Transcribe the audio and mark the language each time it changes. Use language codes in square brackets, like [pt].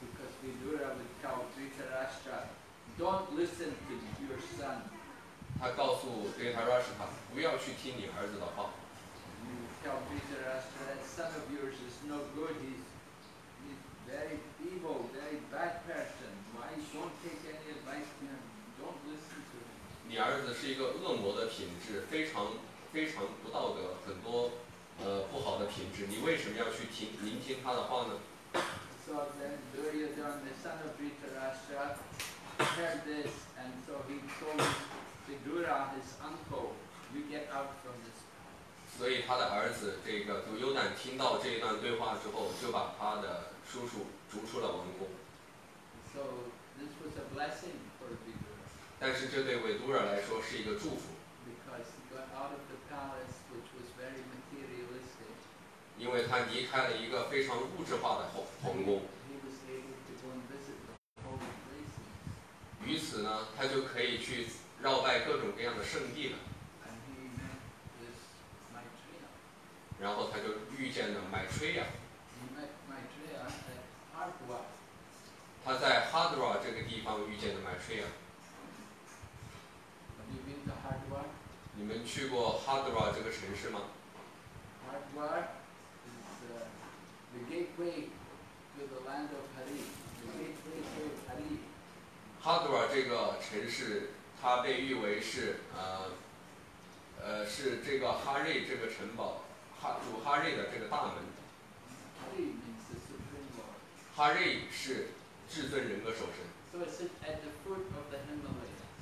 [en] Because Vidura would tell Dhritarashtra, "Don't listen to your son." [zh] 他告诉 Dhritarashtra, 不要去听你儿子的话。 [en] You tell Dhritarashtra, "That son of yours is no good. He's very evil, very bad person. Why don't take any advice from him? Don't listen to him." [zh] 你儿子是一个恶魔的品质，非常非常不道德，很多。不好的品质，你为什么要去听聆听他的话呢？ [en] So then Duryodhana, the son of Dhritarashtra, heard this, and so he told Vidura, his uncle, "You get out from this." [zh] 所以他的儿子这个 Duryodhana 听到这一段对话之后，就把他的叔叔逐出了王宫。 [en] So this was a blessing for Vidura. [zh] 但是这对维多拉来说是一个祝福。 [en] Because he got out of the palace, which was very materialistic. [zh] 因为他离开了一个非常物质化的皇宫。 [en] He was able to go and visit the holy places. [zh] 于此呢，他就可以去绕拜各种各样的圣地了。 [en] And he met this Maitreya. [zh] 然后他就遇见了 Maitreya. [en] He met Maitreya at Hardwa. [zh] 他在 Hardwa 这个地方遇见了 Maitreya. [en] You've been to Hardwar? [zh] 你们去过 Hardwar 这个城市吗？ [en] Hardwar is the gateway to the land of Hari. The gateway to Hari. [zh] Hardwar 这个城市，它被誉为是是这个哈瑞这个城堡，主哈瑞的这个大门。 [en] Hari means the supreme lord. [zh] 哈瑞是至尊人格首神。 [en] So it's at the foot of the Himalayas.